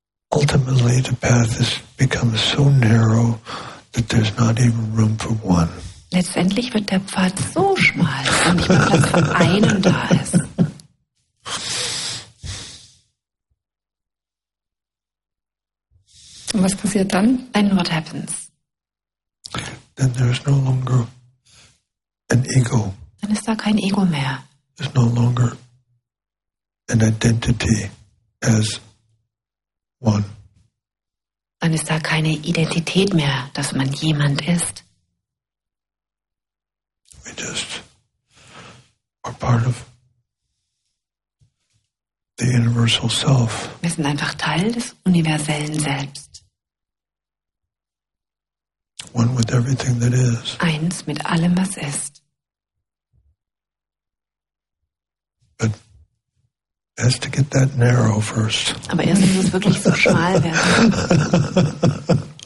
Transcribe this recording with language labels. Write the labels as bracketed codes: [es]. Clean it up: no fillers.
[en] Ultimately, the path has become so narrow that there's not even room for one. [de] Letztendlich wird der Pfad so schmal, dass nicht mehr Platz für einen da ist. Und was passiert dann? [en] And what happens? Then there's no longer an ego. [de] Dann ist da kein Ego mehr. [en] There's no longer an identity as one. [de] Dann ist da keine Identität mehr, dass man jemand ist. [en] We just are part of the universal self. [de] Wir sind einfach Teil des universellen Selbst. [en] One with everything that is. [de] Eins mit allem, was ist. [en] But it has to get that narrow first. [de] Aber erst muss es wirklich so schmal werden.